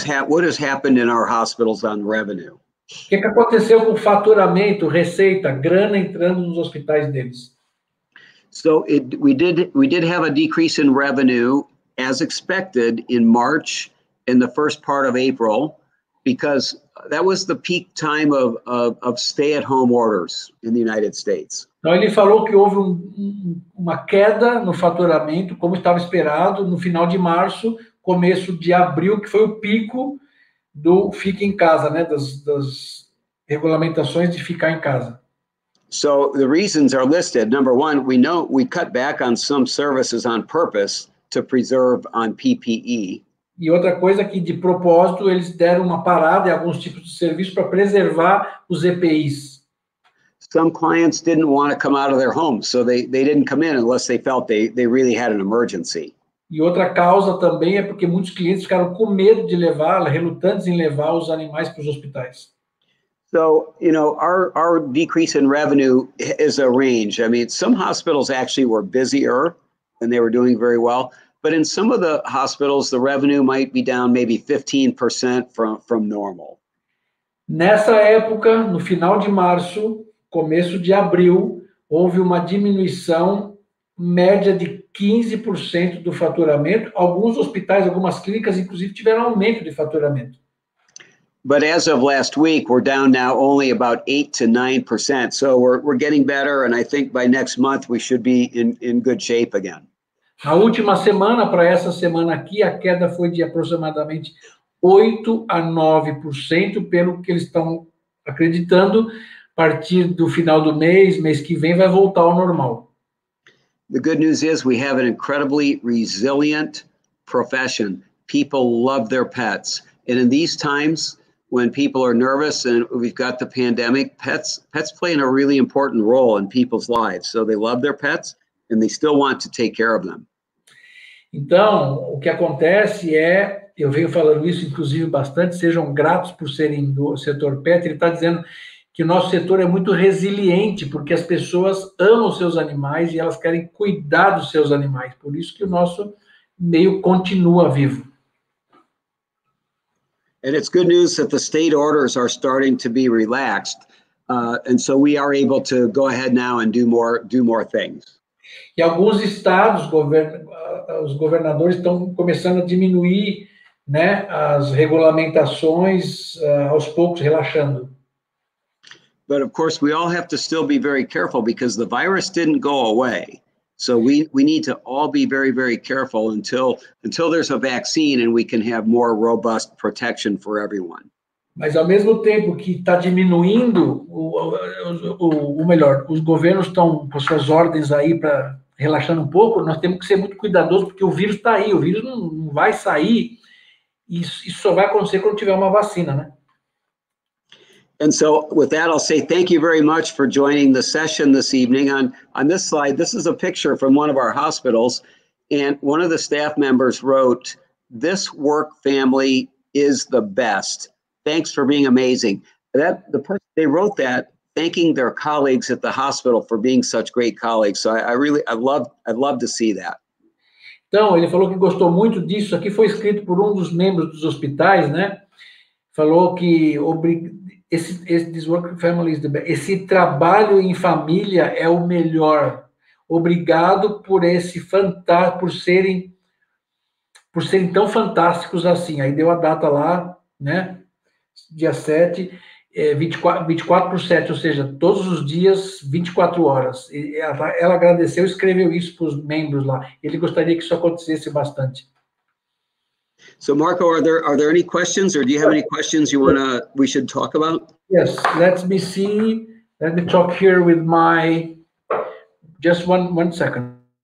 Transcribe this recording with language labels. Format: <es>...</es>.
<en>What has happened in our hospitals on revenue?</en> <pt>O que aconteceu com o faturamento, receita, grana entrando nos hospitais deles?</pt> <en>So we did have a decrease in revenue as expected in March and the first part of April because that was the peak time of stay at home orders in the United States.</en> <pt>Então ele falou que houve uma queda no faturamento, como estava esperado, no final de março. Começo de abril, que foi o pico do fique em casa, né? Das regulamentações de ficar em casa.</pt> <en>So the reasons are listed. Number one, we know we cut back on some services on purpose to preserve on PPE.</en> <pt>E outra coisa que de propósito eles deram uma parada em alguns tipos de serviço para preservar os EPIs.</pt> <en>Some clients didn't want to come out of their homes, so they didn't come in unless they felt they really had an emergency.</en> <pt>E outra causa também é porque muitos clientes ficaram com medo de levar, relutantes em levar os animais para os hospitais.</pt> <en>So, you know, our decrease in revenue is a range. I mean, some hospitals actually were busier and they were doing very well, but in some of the hospitals the revenue might be down maybe 15% from normal.</en> <pt>Nessa época, no final de março, começo de abril, houve uma diminuição média de 15% do faturamento. Alguns hospitais, algumas clínicas, inclusive, tiveram aumento de faturamento.</pt> <en>But as of last week, we're down now only about 8 to 9%. So we're getting better, and I think by next month we should be in good shape again.</en> <pt>Na última semana, para essa semana aqui, a queda foi de aproximadamente 8 a 9%, pelo que eles estão acreditando. A partir do final do mês que vem, vai voltar ao normal.</pt> <en>The good news is we have an incredibly resilient profession. People love their pets. And in these times, when people are nervous and we've got the pandemic, pets play a really important role in people's lives. So they love their pets and they still want to take care of them.</en> <pt>Então, o que acontece é, eu venho falando isso inclusive bastante, sejam gratos por serem do setor pet. Ele está dizendo que o nosso setor é muito resiliente, porque as pessoas amam seus animais e elas querem cuidar dos seus animais. Por isso que o nosso meio continua vivo.</pt> <en>And it's good news that the state orders are starting to be relaxed. And so we are able to go ahead now and do more things.</en> <pt>E alguns estados, os governadores estão começando a diminuir, né, as regulamentações, aos poucos relaxando.</pt> <en>But of course, we all have to still be very careful because the virus didn't go away. So we need to all be very, very careful until there's a vaccine and we can have more robust protection for everyone.</en> <pt>Mas ao mesmo tempo que está diminuindo, ou melhor, os governos estão com suas ordens aí para relaxando um pouco, nós temos que ser muito cuidadosos, porque o vírus está aí, o vírus não vai sair, e isso só vai acontecer quando tiver uma vacina, né?</pt> <en>And so, with that, I'll say thank you very much for joining the session this evening. On this slide, this is a picture from one of our hospitals, and one of the staff members wrote, "This work family is the best. Thanks for being amazing." That the person they wrote that, thanking their colleagues at the hospital for being such great colleagues. So I'd love to see that.</en> <pt>Então, ele falou que gostou muito disso. Aqui foi escrito por um dos membros dos hospitais, né? Falou que</pt> <en>this work family is the best.</en> <pt>Esse trabalho em família é o melhor. Obrigado por esse fantástico, por serem tão fantásticos assim. Aí deu a data lá, né? Dia 7, 24/7, ou seja, todos os dias, 24 horas. E ela agradeceu e escreveu isso para os membros lá. Ele gostaria que isso acontecesse bastante.</pt> <en>So, Marco, are there any questions, or do you have any questions you want to, we should talk about? Yes, let me talk here with my, just one second.</en>